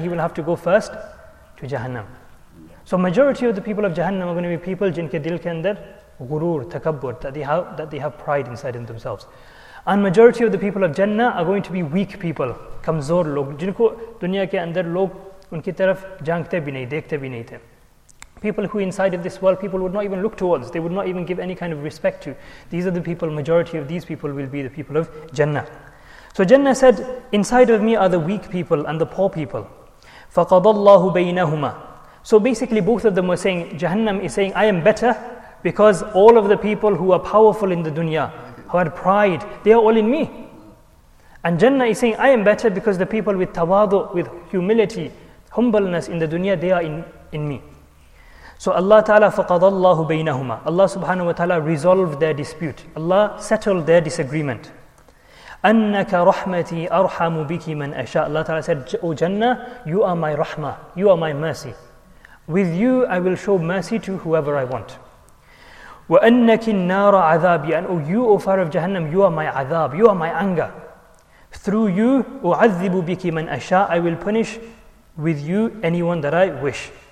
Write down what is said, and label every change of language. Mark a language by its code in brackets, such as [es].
[en] He will have to go first to Jahannam. So majority of the people of Jahannam are going to be people [ur] jinke dil ke andar gurur, takabbur, [en] that they have pride inside in themselves. And majority of the people of Jannah are going to be weak people, [ur] kamzor log, jinko dunya ke andar log ان کی طرف جھانکتے بھی نہیں، دیکھتے بھی نہیں تھے۔ [en] People who incited this world, people would not even look towards, they would not even give any kind of respect to. These are the people, majority of these people will be the people of Jannah. So Jannah said, inside of me are the weak people and the poor people. [ar] فَقَضَ اللَّهُ بَيْنَهُمَا. [en] So basically both of them were saying, Jahannam is saying, I am better because all of the people who are powerful in the dunya, who had pride, they are all in me. And Jannah is saying, I am better because the people with tawadu, with humility, humbleness in the dunya, they are in me. So Allah Ta'ala [ar] فَقَضَ اللَّهُ بَيْنَهُمَا. [en] Allah Subhanahu wa Ta'ala resolved their dispute. Allah settled their disagreement. [ar] أَنَّكَ رَحْمَتِي أَرْحَمُ بِكِ مَنْ أَشَاءُ. [en] Allah Ta'ala said, O Jannah, you are my rahmah, you are my mercy. With you, I will show mercy to whoever I want. [ar] وَأَنَّكِ النَّارَ عَذَابِي. [en] And O you, O fire of Jahannam, you are my adab, you are my anger. Through you, [ar] أُعَذِّبُ بِكِ مَنْ أَشَاءُ. [en] I will punish with you anyone that I wish.